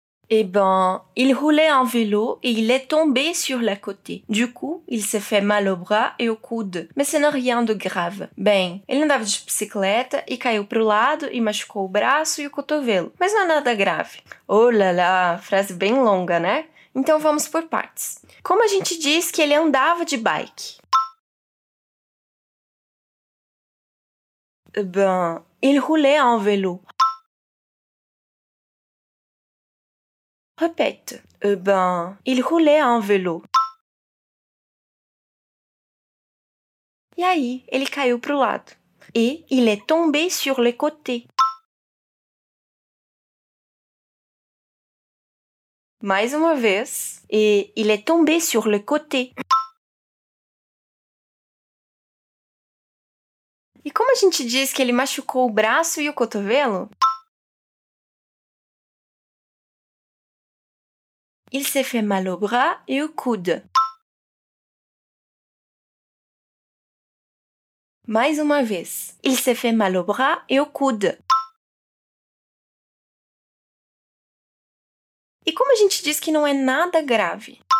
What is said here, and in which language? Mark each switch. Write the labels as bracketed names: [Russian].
[French] Eh ben, il roulait en vélo et il est tombé sur la côté. Du coup, il s'est fait mal au bras et au coude. Mais ce n'est rien de grave. [Portuguese] Bem, ele andava de bicicleta e caiu pro lado e machucou o braço e o cotovelo. Mas não é nada grave. Oh là là, frase bem longa, né? Então vamos por partes. Como a gente diz que ele andava de bike? [French] Ben, il roulait en vélo. Répète. Ben, il roulait en vélo. [Portuguese] E aí, ele caiu pro lado. [French] Et il est tombé sur le côté. [Portuguese] Mais uma vez. [French] Et il est tombé sur le côté. [Portuguese] E como a gente diz que ele machucou o braço e o cotovelo? [French] Il s'est fait mal au bras et au coude. [Portuguese] Mais uma vez. [French] Il s'est fait mal au bras et au coude. [Portuguese] E como a gente diz que não é nada grave?